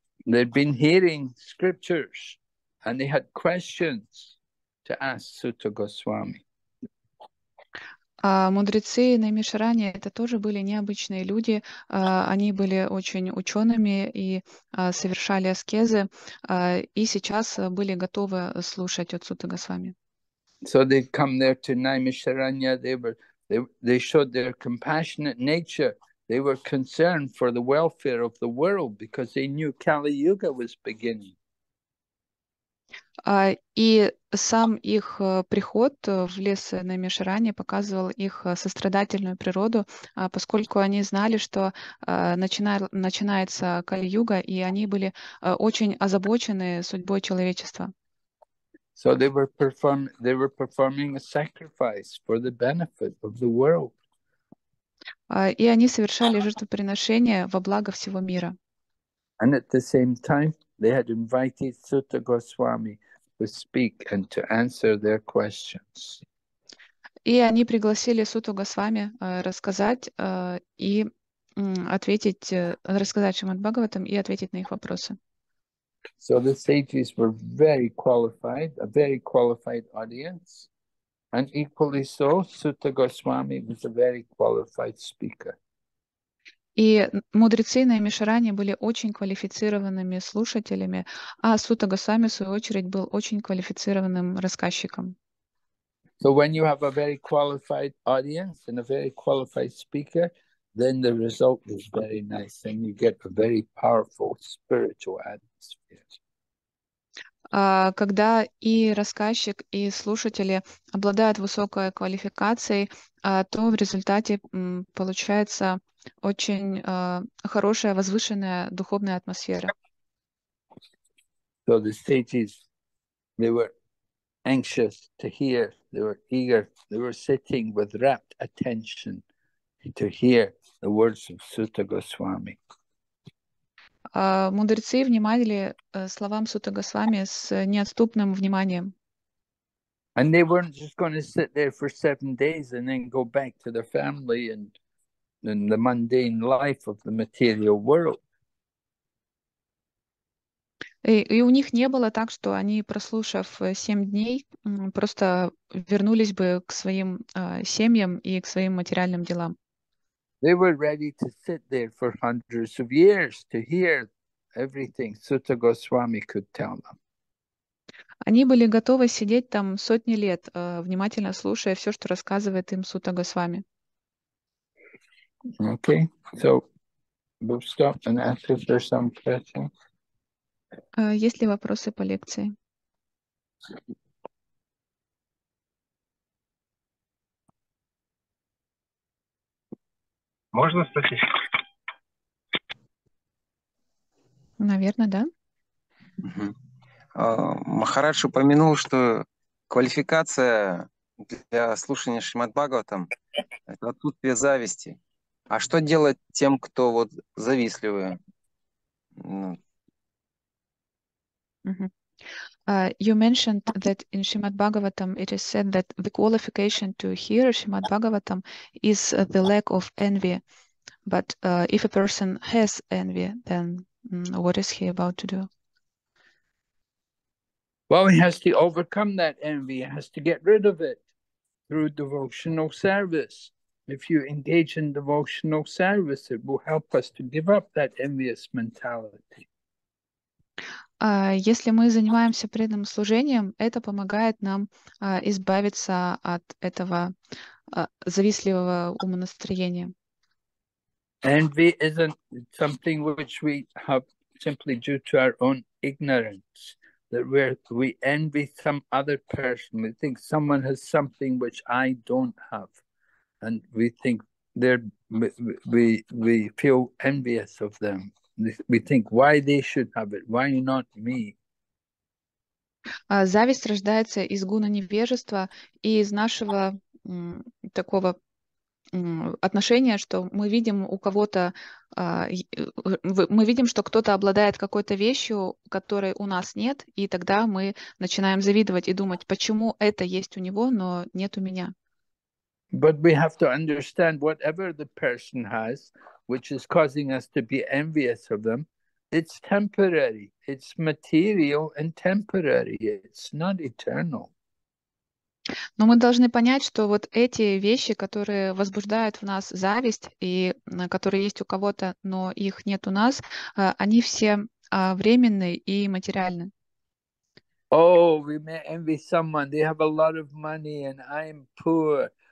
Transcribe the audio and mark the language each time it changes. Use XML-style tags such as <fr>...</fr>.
<en>They'd been hearing scriptures. And they had questions to ask Suta Goswami.</en> <ru>Мудрецы Наймишарани — это тоже были необычные люди. Они были очень учеными и совершали аскезы. И сейчас были готовы слушать от Суты Госвами.</ru> <en>So they come there to Naimisharanya. They showed their compassionate nature. They were concerned for the welfare of the world because they knew Kali Yuga was beginning.</en> <ru>И сам их приход в лес Наймишарани показывал их сострадательную природу, поскольку они знали, что начинается Кали-юга, и они были очень озабочены судьбой человечества.</ru> <en>So they were performing a sacrifice for the benefit of the world.</en> <ru>И они совершали жертвоприношение во благо всего мира.</ru> <en>And at the same time, they had invited Suta Goswami to speak and to answer their questions.</en> <ru>И они пригласили Суту Госвами рассказать Шримад-Бхагаватам и ответить на их вопросы.</ru> <en>So the sages were very qualified, a very qualified audience, and equally so, Sutta Goswami was a very qualified speaker.</en> <ru>И мудрецы на Эмишаране были очень квалифицированными слушателями, а Сута Госвами, в свою очередь, был очень квалифицированным рассказчиком.</ru> <en>So when you have a very qualified audience and a very qualified speaker, then the result is very nice, and you get a very powerful spiritual atmosphere.</en> <ru>Когда и рассказчик, и слушатели обладают высокой квалификацией, то в результате получается очень хорошая, возвышенная духовная атмосфера.</ru> <en>So the sages, they were anxious to hear, they were eager, they were sitting with rapt attention to hear the words of Sutta Goswami.</en> <ru>Мудрецы внимали словам Сута Госвами с неотступным вниманием.</ru> <en>And they weren't just going to sit there for 7 days and then go back to their family and the mundane life of the material world.</en> <ru>И у них не было так, что они, прослушав 7 дней, просто вернулись бы к своим семьям и к своим материальным делам.</ru> <en>They were ready to sit there for hundreds of years to hear everything Sutta Goswami could tell them.</en> <ru>Они были готовы сидеть там сотни лет, внимательно слушая все, что рассказывает им Сута Госвами.</ru> <en>Okay, so we'll stop and ask if there's some questions.</en> <ru>Есть ли вопросы по лекции? Можно спросить? Наверное, да. Махарадж упомянул, что квалификация для слушания Шримад-Бхагаватам — это отсутствие зависти. А что делать тем, кто вот завистливый?</ru> <en>You mentioned that in Srimad Bhagavatam it is said that the qualification to hear Srimad Bhagavatam is the lack of envy. But if a person has envy, then what is he about to do? Well, he has to overcome that envy. He has to get rid of it through devotional service. If you engage in devotional service, it will help us to give up that envious mentality.</en> <ru>Если мы занимаемся преданным служением, это помогает нам избавиться от этого завистливого умонастроения.</ru> <en>Envy isn't something which we have simply due to our own ignorance, that we envy some other person. We think someone has something which I don't have, and we think we feel envious of them. We think, why they should have it? Why not me?</en> <ru>Зависть рождается из гуна невежества и из нашего такого отношения, что мы видим у кого-то, мы видим, что кто-то обладает какой-то вещью, которой у нас нет, и тогда мы начинаем завидовать и думать, почему это есть у него, но нет у меня.</ru> <en>But we have to understand whatever the person has, which is causing us to be envious of them, it's temporary, it's material and temporary, it's not eternal.</en> <ru>Но мы должны понять, что вот эти вещи, которые возбуждают в нас зависть, и которые есть у кого-то, но их нет у нас, они все временные и материальные.</ru> <en>Oh, we may envy someone, they have a lot of money and I'm poor.</en>